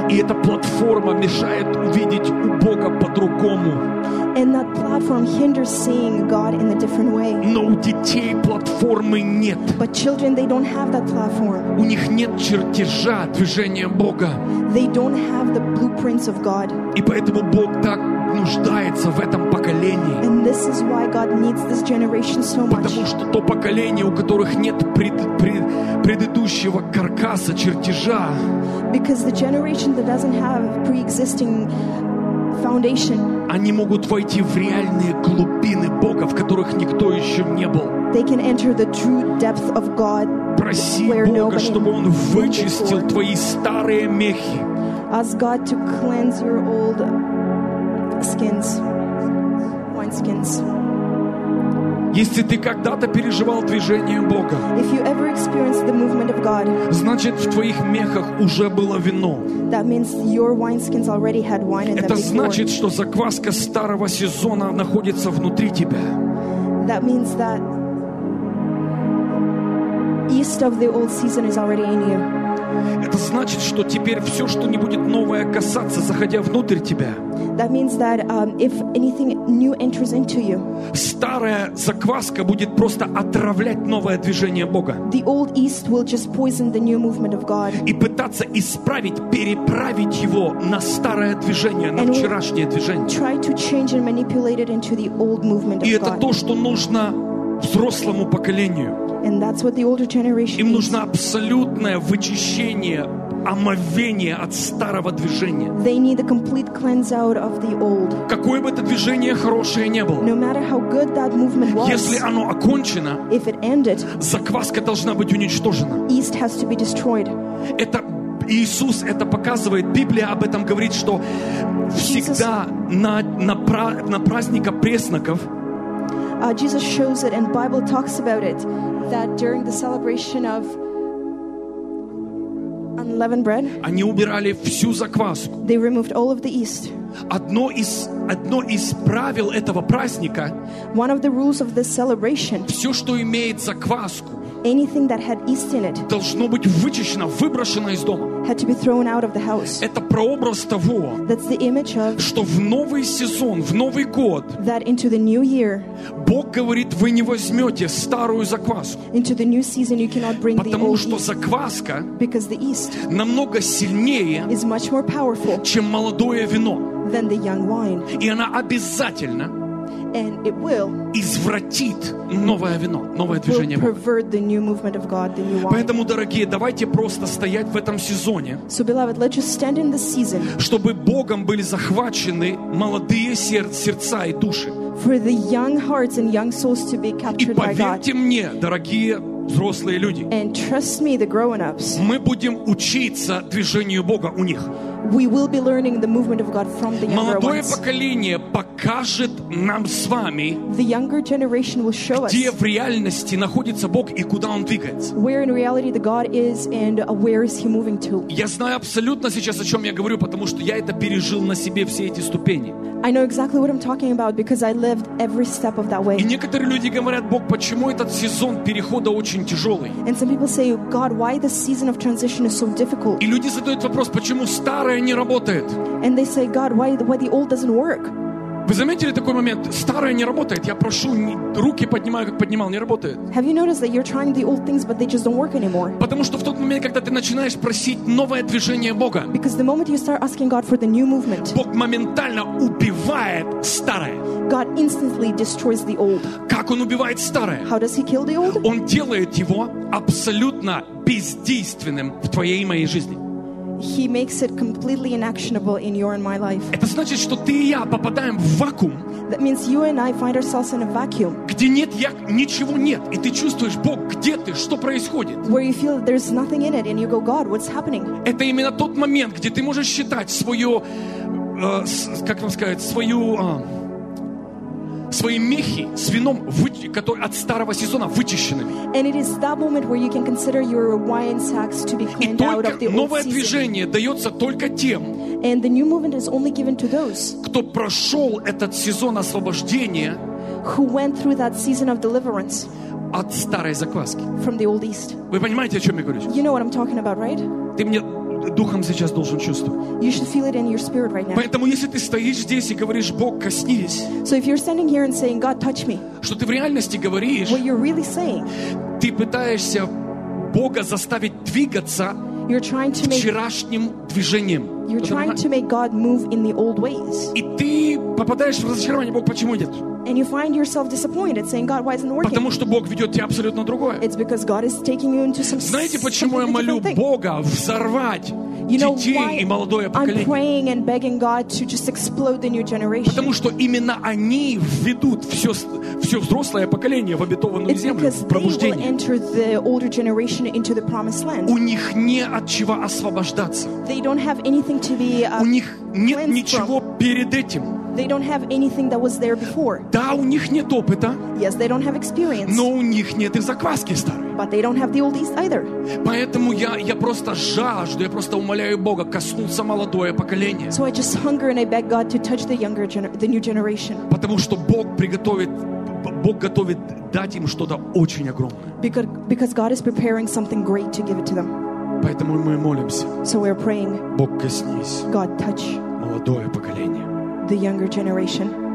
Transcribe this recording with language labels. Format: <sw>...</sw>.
<ru>И эта платформа мешает увидеть у Бога по-другому.</ru> <en>And that platform hinders seeing God in a different way.</en> <ru>Но у детей платформы нет.</ru> <en>But children, they don't have that platform.</en> <ru>У них нет чертежа движения Бога.</ru> <en>They don't have the blueprints of God.</en> <ru>И поэтому Бог так нуждается в этом поколении.</ru> <en>And this is why God needs this generation so much.</en> <ru>Потому что то поколение, у которых нет предыдущего каркаса чертежа.</ru> <en>Because the generation that doesn't have pre-existing foundation.</en> <ru>Они могут войти в реальные глубины Бога, в которых никто еще не был.</ru> <en>They can enter the true depth of God.</en> <ru>Проси Бога, чтобы Он вычистил твои старые мехи.</ru> <en>Ask God to cleanse your old skins, wineskins.</en> <ru>Если ты когда-то переживал движение Бога,</ru> <en>if you ever experienced the movement of God,</en> <ru>значит, в твоих мехах уже было вино.</ru> <en>That means your wineskins already had wine in them.</en> <ru>Это значит, что закваска старого сезона находится внутри тебя.</ru> <en>That means that yeast of the old season is already in you.</en> <ru>Это значит, что теперь все, что не будет новое касаться, заходя внутрь тебя.</ru> <en>That means that if anything new enters into you,</en> <ru>старая закваска будет просто отравлять новое движение Бога.</ru> <en>The old yeast will just poison the new movement of God.</en> <ru>И пытаться исправить, переправить его на старое движение, на вчерашнее движение.</ru> <en>Try to change and manipulate it into the old movement of God.</en> <ru>И это то, что нужно взрослому поколению.</ru> <en>And that's what the older generation</en> <ru>им нужно абсолютное вычищение, омовение от старого движения.</ru> <en>They need a complete cleanse out of the old.</en> <ru>Какое бы это движение хорошее ни было,</ru> <en>no matter how good that movement was,</en> <ru>если оно окончено,</ru> <en>if it ended,</en> <ru>закваска должна быть уничтожена.</ru> <en>East has to be destroyed.</en> <ru>Это Иисус это показывает, Библия об этом говорит, что всегда на праздника пресноков</ru> <en>Jesus shows it and Bible talks about it that during the celebration of unleavened bread</en> <ru>они убирали всю закваску.</ru> <en>They removed all of the yeast.</en> <ru>Одно из правил этого праздника,</ru> <en>one of the rules of this celebration,</en> <ru>все, что имеет закваску,</ru> <en>anything that had yeast in it,</en> <ru>должно быть вычищено, выброшено из дома.</ru> <en>Had to be thrown out of the house.</en> <ru>Это прообраз того,</ru> <en>that's the image of,</en> <ru>что в новый сезон, в новый год,</ru> <en>that into the new year,</en> <ru>Бог говорит, вы не возьмете старую закваску.</ru> <en>Into the new season, you cannot bring the old yeast.</en> <ru>Потому что закваска,</ru> <en>because the yeast,</en> <ru>намного сильнее,</ru> <en>is much more powerful,</en> <ru>чем молодое вино.</ru> <en>Than the young wine.</en> <ru>И она обязательно,</ru> <en>and it will,</en> <ru>извратит новое вино, новое движение Бога.</ru> <en>Will pervert the new movement of God, the new wine.</en> <ru>Поэтому, дорогие, давайте просто стоять в этом сезоне,</ru> <en>so, beloved, let's just stand in this season,</en> <ru>чтобы Богом были захвачены молодые сердца и души.</ru> <en>For the young hearts and young souls to be captured by God.</en> <ru>И поверьте мне, дорогие взрослые люди,</ru> <en>and trust me, the grown-ups,</en> <ru>мы будем учиться движению Бога у них.</ru> <en>We will be learning the movement of God from the younger ones.</en> <ru>Молодое поколение покажет нам с вами,</ru> <en>the younger generation will show us,</en> <ru>где в реальности находится Бог и куда Он двигается.</ru> <en>Where in reality the God is and where is He moving to?</en> <ru>Я знаю абсолютно сейчас, о чем я говорю, потому что я это пережил на себе все эти ступени.</ru> <en>I know exactly what I'm talking about because I lived every step of that way.</en> <ru>И некоторые люди говорят, Бог, почему этот сезон перехода очень тяжелый?</ru> <en>And some people say, God, why this season of transition is so difficult?</en> <ru>И люди задают вопрос, почему старое не работает?</ru> <en>And they say, God, why the old doesn't work?</en> <ru>Вы заметили такой момент? Старое не работает. Я прошу, руки поднимаю, как поднимал, не работает.</ru> <en>Have you noticed that you're trying the old things, but they just don't work anymore?</en> <ru>Потому что в тот момент, когда ты начинаешь просить новое движение Бога,</ru> <en>because the moment you start asking God for the new movement,</en> <ru>Бог моментально убивает старое.</ru> <en>God instantly destroys the old.</en> <ru>Как Он убивает старое?</ru> <en>How does He kill the old?</en> <ru>Он делает его абсолютно бездейственным в твоей и моей жизни.</ru> <en>He makes it completely inactionable in your and my life.</en> <ru>Это значит, что ты и я попадаем в вакуум.</ru> <en>That means you and I find ourselves in a vacuum.</en> <ru>Где нет я, ничего нет, и ты чувствуешь, Бог, где ты, что происходит?</ru> <en>Where you feel that there's nothing in it, and you go, God, what's happening?</en> <ru>Это именно тот момент, где ты можешь считать свою, как вам сказать, свою, свои мехи с вином, которые от старого сезона вычищены.</ru> <en>And it is that moment where you can consider your wine sacks to be cleaned out of the old season.</en> <ru>И только новое движение дается только тем,</ru> <en>and the new movement is only given to those,</en> <ru>кто прошел этот сезон освобождения,</ru> <en>who went through that season of deliverance,</en> <ru>от старой закваски.</ru> <en>From the old east.</en> <ru>Вы понимаете, о чем я говорю?</ru> <en>You know what I'm talking about, right?</en> <ru>Ты мне духом сейчас должен чувствовать.</ru> <en>You should feel it in your spirit right now.</en> <ru>Поэтому если ты стоишь здесь и говоришь: Бог, коснись.</ru> <en>So if you're standing here and saying, God, touch me.</en> <ru>Что ты в реальности говоришь?</ru> <en>What you're really saying.</en> <ru>Ты пытаешься Бога заставить двигаться.</ru> <en>You're trying to make</en> <ru>вчерашним движением.</ru> <en>You're trying to make God move in the old ways.</en> <ru>И ты попадаешь в разочарование: Бог, почему нет?</ru> <en>And you find yourself disappointed, saying, God, why isn't it working?</en> <ru>Потому что Бог ведет тебя абсолютно другое.</ru> <en>It's because God is taking you into some.</en> <ru>Знаете, почему я молю Бога взорвать детей и молодое поколение?</ru> <en>I'm praying and begging God to just explode the new generation.</en> <ru>Потому что именно они введут все взрослое поколение в обетованную землю, в пробуждение.</ru> <en>They will enter the older generation into the promised land.</en> <ru>У них не от чего освобождаться.</ru> <en>They don't have anything to be cleansed from.</en> <ru>У них нет ничего перед этим.</ru> <en>They don't have anything that was there before.</en> <ru>Да, у них нет опыта.</ru> <en>Yes, they don't have experience.</en> <ru>Но у них нет и закваски старой.</ru> <en>But they don't have the old yeast either.</en> <ru>Поэтому я просто жажду, я просто умоляю Бога коснуться молодое поколение.</ru> <en>So I just hunger and I beg God to touch the younger, the new generation.</en> <ru>Потому что Бог готовит дать им что-то очень огромное.</ru> <en>Because God is preparing something great to give it to them.</en> <ru>Поэтому мы молимся.</ru> <en>So we're praying.</en> <ru>Бог, коснись.</ru> <en>God, touch.</en> <ru>Молодое поколение.</ru> <en>The younger generation.</en>